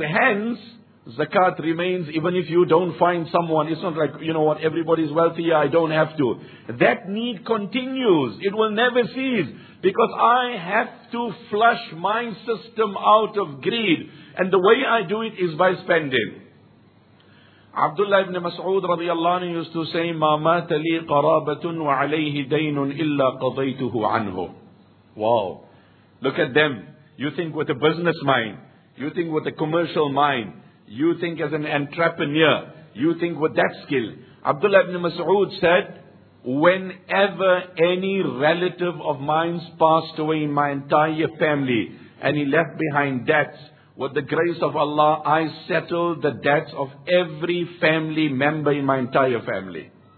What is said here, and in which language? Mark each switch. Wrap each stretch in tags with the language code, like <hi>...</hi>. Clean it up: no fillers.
<en>Hence, zakat remains even if you don't find someone. It's not like, you know what, everybody's wealthy, I don't have to. That need continues. It will never cease because I have to flush my system out of greed. And the way I do it is by spending. Abdullah ibn Mas'ud radiyallahu anhu used to say,</en> <ar>مَا مَاتَ لِي قَرَابَةٌ وَعَلَيْهِ دَيْنٌ إِلَّا قَضَيْتُهُ عَنْهُ.</ar> <en>Wow. Look at them. You think with a business mind. You think with a commercial mind. You think as an entrepreneur. You think with that skill. Abdullah ibn Mas'ud said, whenever any relative of mine passed away in my entire family, and he left behind debts, with the grace of Allah, I settled the debts of every family member in my entire family.</en>